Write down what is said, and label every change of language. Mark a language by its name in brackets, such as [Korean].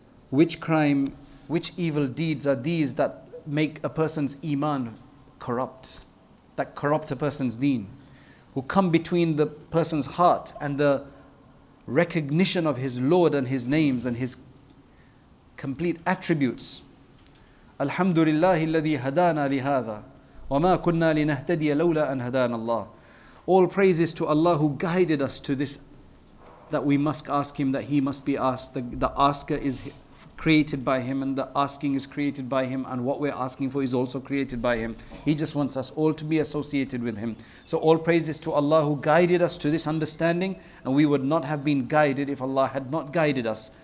[English] Which crime, which evil deeds are these that make a person's iman corrupt, that corrupt a person's deen, who come between the person's heart and the recognition of his Lord and his names and his complete attributes. [Arabic] Alhamdulillah الَّذِي هَدَانَا لِهَذَا وَمَا كُنَّا لِنَهْتَدِيَ لَوْلَا أَنْ هَدَانَ اللَّهِ. [English] All praises to Allah who guided us to this, that we must ask Him, that He must be asked. The asker is created by Him and the asking is created by Him, and what we're asking for is also created by Him. He just wants us all to be associated with Him. So all praises to Allah who guided us to this understanding, and we would not have been guided if Allah had not guided us.